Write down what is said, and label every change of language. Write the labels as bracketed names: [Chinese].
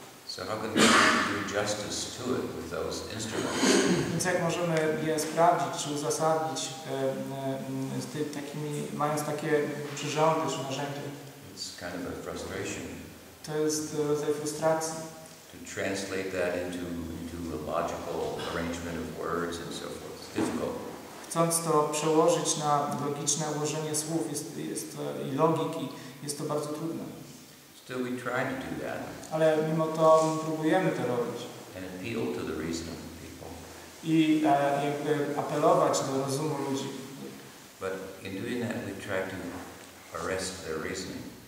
[English] So how can we do justice to it with those instruments? [Polish] Więc jak możemy je sprawdzić, czy uzasadnić z takimi, mając takie przyrządy czy narzędzia? [English] It's kind of a frustration. [Polish] To jest rodzaj frustracji. [English] To translate that into a logical arrangement of words and so forth. It's difficult. [Polish] Chcąc to przełożyć na logiczne ułożenie słów jest i logiki, jest to bardzo trudne. [English] Still we try to do that. [Polish] Ale mimo to próbujemy to robić. [English] And appeal to the reason of the people. [Polish] I jakby apelować do rozumu ludzi. [English] But in doing that we try to arrest their reasoning.